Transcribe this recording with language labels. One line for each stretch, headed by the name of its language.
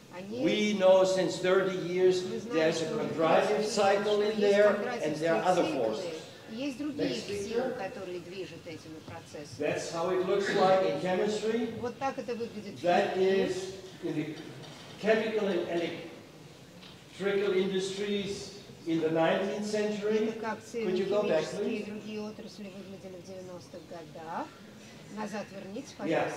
English: We know since 30 years there's a quadrative cycle in there, and there are other forces.
Russian: Есть другие силы, которые движут этими процессами.
English: That's how it looks like in chemistry.
Russian: Вот так это выглядит.
English: That is in the chemical and electrical industries in the 19th century. Could you go back, please?
Russian: И другие отрасли выглядели в 90-х годах. Назад верните, пожалуйста.